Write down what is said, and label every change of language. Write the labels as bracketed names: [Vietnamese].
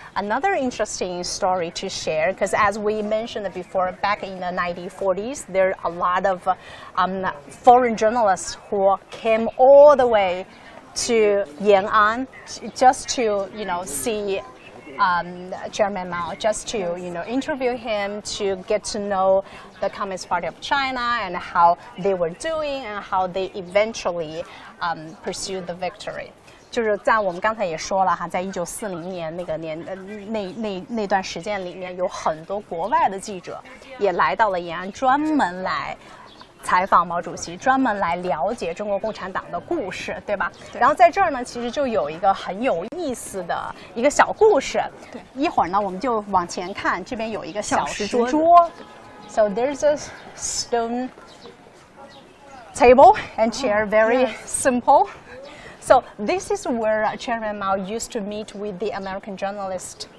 [English] Another interesting story to share, because as we mentioned before, back in the 1940s, there are a lot of foreign journalists who came all the way to Yan'an just to, you know, see Chairman Mao, just to, you know, interview him, to get to know the Communist Party of China and how they were doing and how they eventually pursued the victory. [Chinese] 就是在我们刚才也说了哈，在一九四零年那个年那段时间里面，有很多国外的记者也来到了延安，专门来采访毛主席，专门来了解中国共产党的故事，对吧？对。然后在这儿呢，其实就有一个很有意思的一个小故事。对。一会儿呢，我们就往前看，这边有一个小石桌。 [English] So there's a stone table and chair, very simple. So this is where Chairman Mao used to meet with the American journalist.